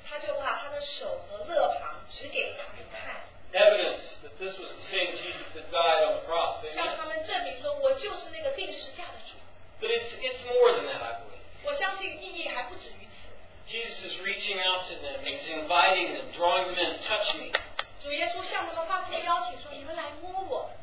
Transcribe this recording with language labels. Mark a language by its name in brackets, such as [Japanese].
[Chinese] 他就把他的手和肋旁指给他们看。 [English] Evidence that this was the same Jesus that died on the cross. [Chinese] 让他们证明说我就是那个钉十架的主。 [English] But it's more than that, I believe. [Chinese] 我相信意义还不止于此。 [English] Jesus is reaching out to them. He's inviting them, drawing them in, touch me. [Chinese] 主耶稣向他们发出邀请说你们来摸我。